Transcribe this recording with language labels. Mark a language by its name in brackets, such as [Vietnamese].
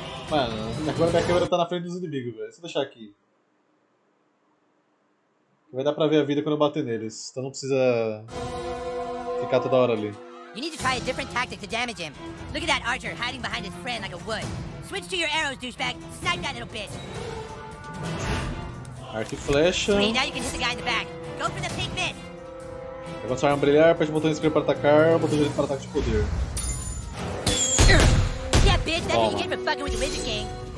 [Portuguese] Mano, agora minha câmera tá na frente dos inimigos, velho. Deixa eu deixar aqui. Vai dar pra ver a vida quando eu bater neles. Então não precisa ficar toda hora ali. [English] You need to try a different tactic to damage him. Look at that archer hiding behind his friend like a wood. Switch to your arrows, douchebag. Snipe that little bitch. [Portuguese] Arco e flecha. [English] Sweet, now you can hit the guy in the back. Go for the pink miss. [Portuguese] Eu vou usar um brilhar, aperte o botão esquerdo para atacar, botão direito para ataque de poder. [English] Yeah, bitch, that's what you get for fucking with the Wizard King.